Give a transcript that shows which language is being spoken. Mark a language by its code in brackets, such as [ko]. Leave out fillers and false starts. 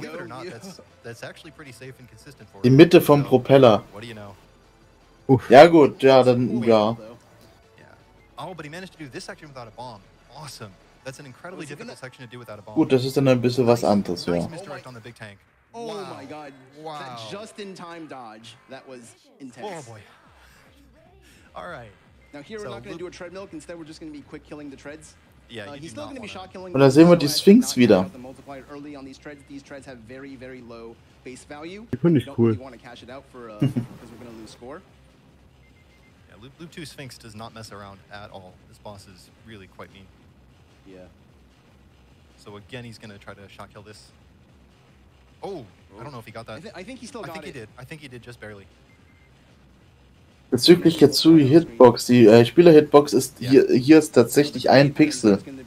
[en] Believe it or not, that's actually pretty safe and consistent for you. [de] Die Mitte vom Propeller. [en] What do you know? [de] Ja gut, ja, dann ja. [en] Oh, but he managed to do this section without a bomb. Awesome. That's an incredibly difficult section to do without a bomb. [de] Gut, das ist dann ein bisschen was anderes, ja. [en] Oh my god. Wow. That just in time dodge. That was intense. Oh boy. All right. Now here we're not going to do a treadmill, instead we're just going to be quick killing the treads. Yeah, he's still going to be shot killing. [de] Und da sehen wir die Sphinx wieder. [en] The multiplier early on these treads have very very low base value. [de] Die finde ich cool. [en] We want to cash it out for because we're going to lose score. Yeah, loop 2 Sphinx does not mess around at all. This boss is really quite mean. Yeah. So again he's going to try to shot kill this. Oh, I don't know if he got that. I think he did just barely. [de] Bezüglich jetzt zu Hitbox, die Spieler-Hitbox ist hier ist tatsächlich ein Pixel.